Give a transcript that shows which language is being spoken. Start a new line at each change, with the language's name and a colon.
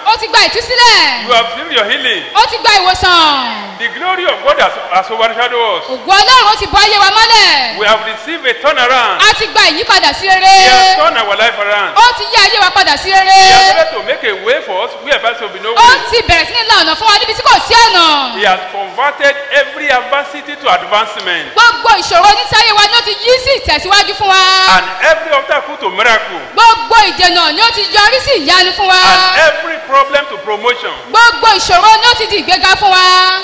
Yoruba: O ti gba ìtúsílẹ̀.
English: You have received your healing.
Yoruba: O ti gba ìwòsàn.
English: The glory of God has overshadowed us.
Yoruba: Ògùn Ọlọ́run ti bọ́ ayé wa mọ́lẹ̀.
English: We have received a turnaround.
Yoruba: A ti gba ìyípadà sí rere.
English: He has turned our life around.
Yoruba: O ti yí ayé wa padà sí rere.
English: He has started to make a way for us where there should be no way.
Yoruba: O ti bẹ̀rẹ̀ sí ní lọ ọ̀nà fún wa níbi tí kò sí ọ̀nà.
English: He has converted every adversity to advancement.
Yoruba: Gbogbo ìṣòro ní sáyé wa ni ó ti yí sí ìtẹ̀síwájú fún wa.
English: And every obstacle to miracle.
Yoruba: Gbogbo ìdènà ni ó ti yọrí sí ìyanu fún wa.
English: And every problem to promotion.
Yoruba: Gbogbo ìṣòro ni ó ti di ìgbéga fún wa.